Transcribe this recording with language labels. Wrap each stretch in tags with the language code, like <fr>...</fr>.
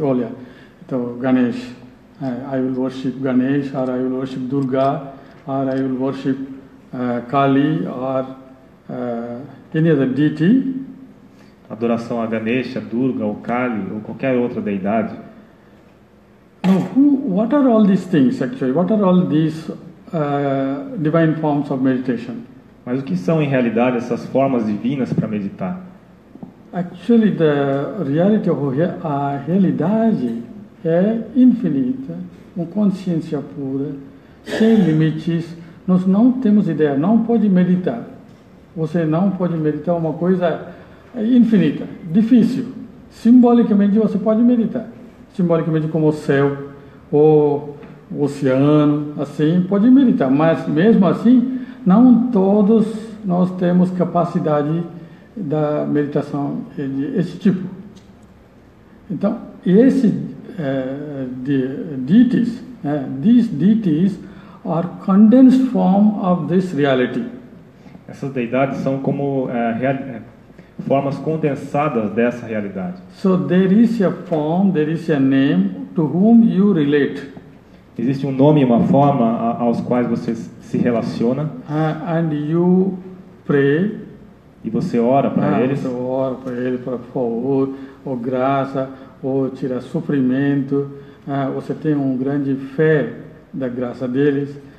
<pt>Olha, então</pt> <en>Ganesh, I will worship Ganesh, or I will worship Durga, or I will worship Kali, or any other deity.</en> <pt>Adoração a Ganesha, Durga, ou Kali, ou qualquer outra deidade.</pt> <en>Now, what are all these things, actually? What are all these divine forms of meditation?</en> <pt>Mas o que são, em realidade, essas formas divinas para meditar?</pt> <en>Actually, the reality of</en> <pt>a realidade é infinita, uma consciência pura, sem limites. Nós não temos ideia, não pode meditar. Você não pode meditar uma coisa infinita, difícil. Simbolicamente você pode meditar. Simbolicamente como o céu, ou o oceano, assim, pode meditar. Mas mesmo assim, não todos nós temos capacidade da meditação desse tipo. Então, esses</pt> <en>deities, these deities, are condensed form of this reality.</en> <pt>Essas deidades são como formas condensadas dessa realidade.</pt> <en>So there is a form, there is a name to whom you relate.</en> <pt>Existe um nome e uma forma aos quais você se relaciona.</pt> <en>And you pray.</en> <pt>E você ora para eles. Você ora para ele, para favor, ou graça, ou tirar sofrimento. Você tem um grande fé da graça deles.</pt>